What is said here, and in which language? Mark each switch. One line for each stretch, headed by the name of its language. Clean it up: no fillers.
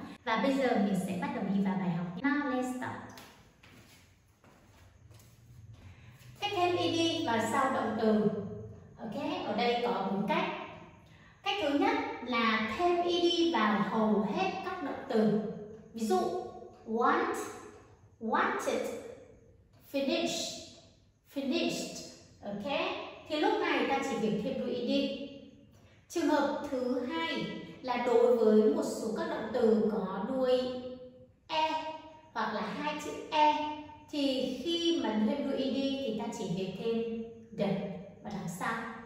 Vietnamese: Và bây giờ mình sẽ bắt đầu đi vào bài học.
English: Now let's start.
Vietnamese: Cách thêm ed vào sau động từ. Ok, ở đây có 4 cách. Cách thứ nhất là thêm ed vào hầu hết các động từ. Ví dụ want, wanted, finished. Ok, thì lúc này ta chỉ việc thêm đuôi ed. Trường hợp thứ hai là đối với một số các động từ có đuôi e hoặc là hai chữ e, thì khi mà thêm đuôi ed thì ta chỉ việc thêm the và đằng sau.